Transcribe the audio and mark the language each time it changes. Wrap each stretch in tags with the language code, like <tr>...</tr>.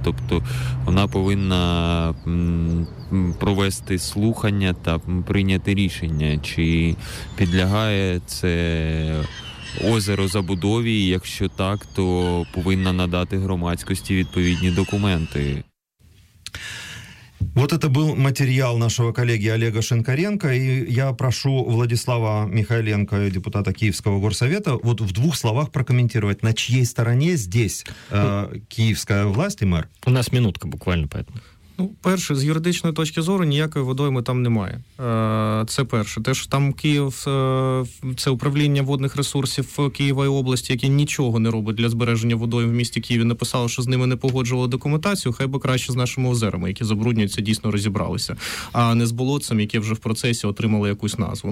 <uk>Тобто вона повинна провести слухання та прийняти рішення, чи підлягає це озеро забудові, і якщо так, то повинна надати громадськості відповідні документи.</uk> <ru>Вот это был материал нашего коллеги Олега Шинкаренко, и я прошу Владислава Михайленко, депутата Киевского горсовета, вот в двух словах прокомментировать, на чьей стороне здесь киевская власть и мэр? У нас минутка буквально, поэтому.</ru> <uk>Ну, перше, з юридичної точки зору ніякої водойми там немає. Це перше. Те, що там Київ, це управління водних ресурсів Києва і області, яке нічого не робить для збереження водойм в місті Києві, написало, що з ними не погоджувало документацію, хай би краще з нашими озерами, які забруднюються, дійсно розібралися, а не з болотцем, яке вже в процесі отримало якусь назву.</uk>